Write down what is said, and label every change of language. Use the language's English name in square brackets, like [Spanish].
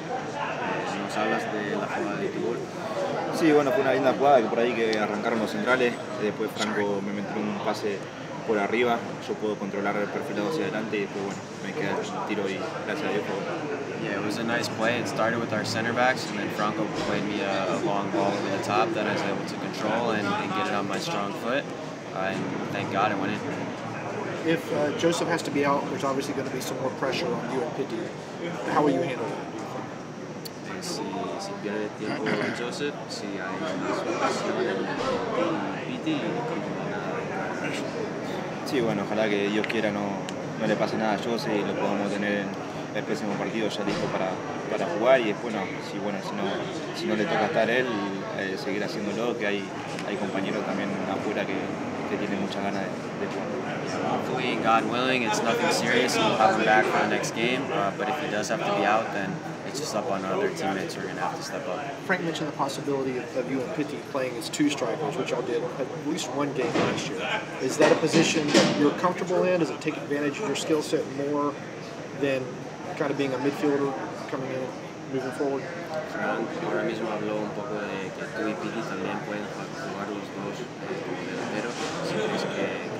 [Spanish] Nos hablas de la jugada de tu gol. Sí, bueno, fue una linda jugada que por ahí que arrancaron los centrales. Después Franco me metió un pase por arriba. Yo puedo controlar el perfilado hacia adelante y después, bueno, me queda el tiro y gracias a Dios. Por... [English] Yeah, it was a nice play. It started with our center backs and then Franco played me a long ball over the top that I was able to control and get it on my strong foot. And thank God I went in. If Joseph has to be out, there's obviously going to be some more pressure on you and Pitti. How will you handle that? [Spanish] Si pierde tiempo Joseph, si hay más presión, Pitti. Sí, bueno, ojalá que Dios quiera no le pase nada a Joseph y lo podamos tener en el próximo partido ya listo para jugar. Y después, no, si no le toca estar él, seguir haciéndolo, que hay compañeros también afuera que tienen muchas ganas de jugar. [English] Hopefully, God willing, it's nothing serious and we'll have him back for the next game. But if he does have to be out, then it's just up on our other teammates. We're going to have to step up. Frank mentioned the possibility of you and Pitti playing as two strikers, which y'all did at least one game last year. Is that a position that you're comfortable in? Does it take advantage of your skill set more than kind of being a midfielder coming in, moving forward? [Spanish] Frank, ahora mismo habló un poco de que tú y Pitti también pueden jugar los dos como delantero.